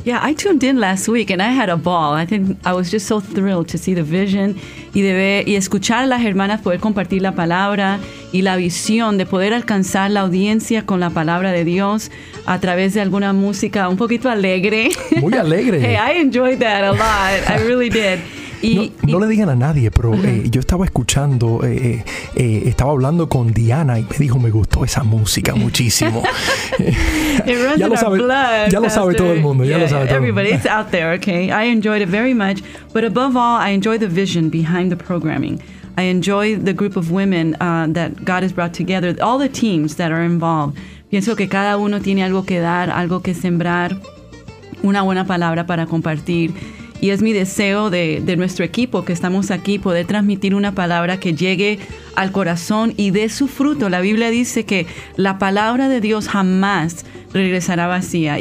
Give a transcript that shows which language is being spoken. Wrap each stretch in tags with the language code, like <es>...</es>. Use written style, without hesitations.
<en>Yeah, I tuned in last week and I had a ball. I think I was just so thrilled to see the vision</en> <es>y escuchar a las hermanas poder compartir la palabra y la visión de poder alcanzar la audiencia con la palabra de Dios a través de alguna música un poquito alegre. Muy alegre.</es> <en>Hey, I enjoyed that a lot. I really did.</en> <es>No le digan a nadie, pero yo estaba escuchando, estaba hablando con Diana y me dijo, me gustó esa música muchísimo.</es> <en>Everybody, it's out there, okay? I enjoyed it very much, but above all, I enjoy the vision behind the programming. I enjoy the group of women that God has brought together, all the teams that are involved.</en> <es>Pienso que cada uno tiene algo que dar, algo que sembrar, una buena palabra para compartir. Y es mi deseo de nuestro equipo que estamos aquí poder transmitir una palabra que llegue al corazón y dé su fruto. La Biblia dice que la palabra de Dios jamás regresará vacía.</es>